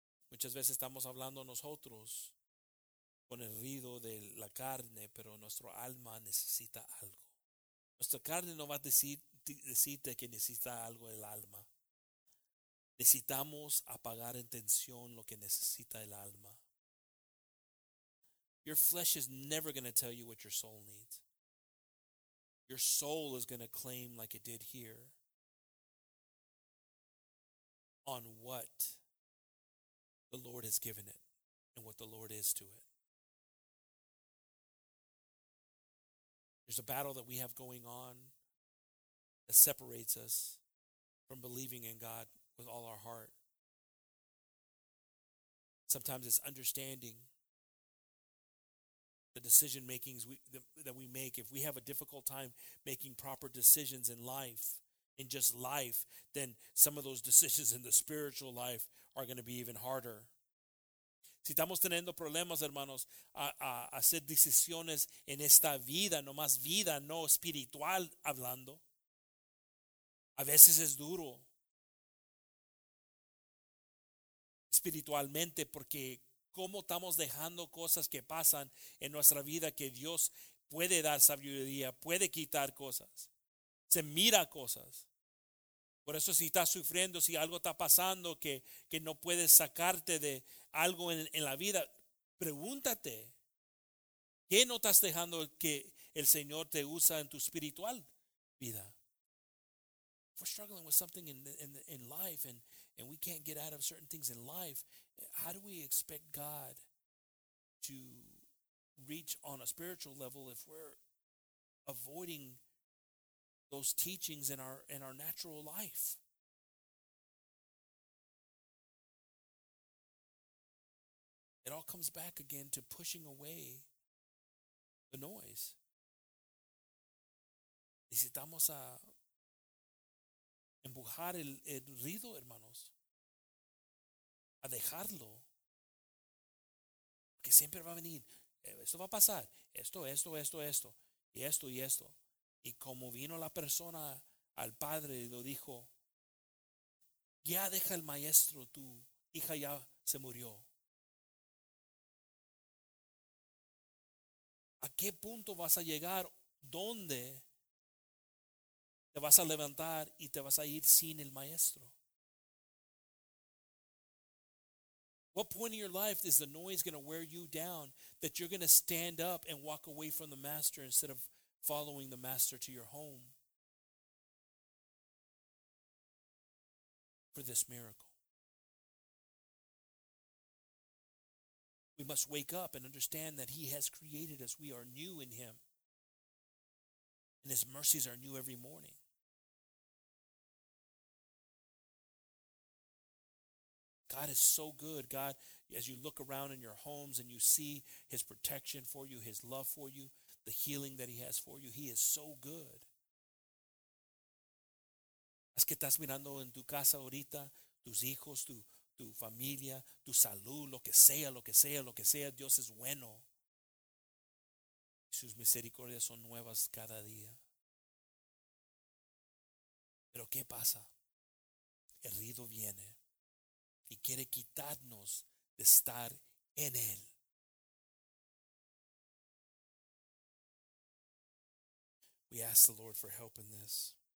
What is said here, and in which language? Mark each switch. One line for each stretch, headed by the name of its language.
Spanish: Muchas veces estamos hablando nosotros con el ruido de la carne, pero nuestro alma necesita algo. Nuestra carne no va a decirte que necesita algo el alma. Necesitamos apagar en tensión lo que necesita el alma.
English: Your flesh is never going to tell you what your soul needs. Your soul is going to claim, like it did here, on what the Lord has given it and what the Lord is to it. There's a battle that we have going on that separates us from believing in God with all our heart. Sometimes it's understanding the decision makings that we make. If we have a difficult time making proper decisions in life, in just life, then some of those decisions in the spiritual life are going to be even harder.
Spanish: Si estamos teniendo problemas, hermanos, a hacer decisiones en esta vida, no más vida, no espiritual hablando, a veces es duro. Espiritualmente, porque ¿cómo estamos dejando cosas que pasan en nuestra vida que Dios puede dar sabiduría, puede quitar cosas? Se mira cosas. Por eso si estás sufriendo, si algo está pasando que no puedes sacarte de algo en la vida, Pregúntate, ¿qué no estás dejando que el Señor te usa en tu espiritual vida?
English: If we're struggling with something in life and we can't get out of certain things in life, how do we expect God to reach on a spiritual level if we're avoiding those teachings in our natural life? It all comes back again to pushing away the noise.
Spanish: Necesitamos a empujar el ruido, hermanos, a dejarlo, porque siempre va a venir, esto va a pasar, esto, y esto. Y como vino la persona al padre y lo dijo, ya deja el maestro, tu hija ya se murió. ¿A qué punto vas a llegar? ¿Dónde te vas a levantar y te vas a ir sin el maestro?
English: What point in your life is the noise going to wear you down that you're going to stand up and walk away from the master instead of following the master to your home for this miracle? We must wake up and understand that he has created us. We are new in him. And his mercies are new every morning. God is so good. God, as you look around in your homes and you see his protection for you, his love for you, the healing that he has for you, he is so good.
Spanish: Es que estás mirando en tu casa ahorita, tus hijos, tu familia, tu salud, lo que sea, Dios es bueno. Sus misericordias son nuevas cada día. Pero ¿qué pasa? El ruido viene y quiere quitarnos de estar en él.
English: We ask the Lord for help in this.